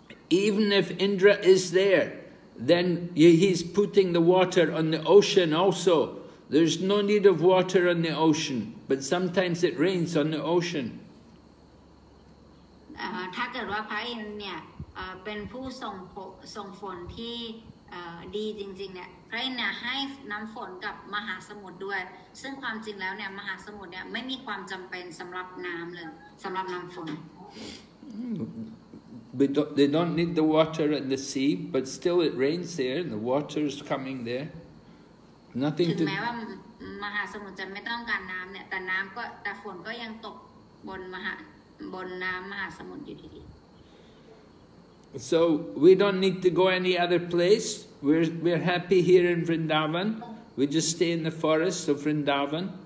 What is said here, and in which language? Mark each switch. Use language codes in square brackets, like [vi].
[en] Even if Indra is there, then he's putting the water on the ocean also. There's no need of water on the ocean, but sometimes it rains on the ocean. [th] ถ้าเกิดว่าพระอินทร์เนี่ยเป็นผู้ส่งฝนที่ ดีจริงๆเนี่ยพระอินทร์เนี่ยให้น้ำฝนกับมหาสมุทรด้วยซึ่งความจริงแล้วเนี่ยมหาสมุทรเนี่ยไม่มีความจำเป็นสำหรับน้ำเลยสำหรับน้ำฝน [en] They don't need the water and the sea, but still it rains there and the water is coming there. Nothing [th] to... ถึงแม้ว่ามหาสมุทรจะไม่ต้องการน้ำเนี่ยแต่น้ำก็แต่ฝนก็ยังตกบนมหาบนน้ำมหาสมุทรอยู่ดี [en] So we don't need to go any other place. We're happy here in Vrindavan. We just stay in the forest of Vrindavan.